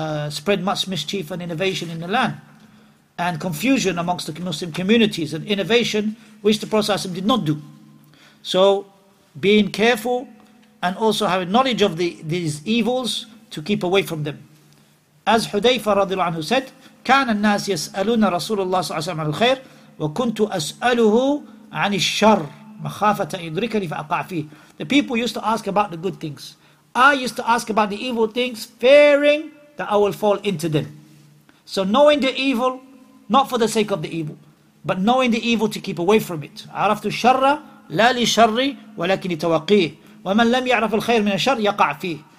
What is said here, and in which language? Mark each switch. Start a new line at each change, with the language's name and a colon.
English: spread much mischief and innovation in the land and confusion amongst the Muslim communities and innovation which the Prophet ﷺ did not do. So being careful and also having knowledge of these evils to keep away from them. As Hudayfa radiallahu anhu said,
Arabic: كان الناس يسألون رسول الله صلى الله عليه وسلم عن الخير وكنت أسأله عن الشر مخافة يدركني فأقع فيه.
English: The people used to ask about the good things. I used to ask about the evil things, fearing that I will fall into them. So knowing the evil, not for the sake of the evil, but knowing the evil to keep away from it.
Arabic: عَرَفْتُ شَرَّ لَا لِشَرِّ وَلَكِنْ لِتَوَقِيهِ وَمَنْ لَمْ يَعْرَفُ الْخَيْرِ مِنَ الشَّرِّ يَقَعْ فِيهِ.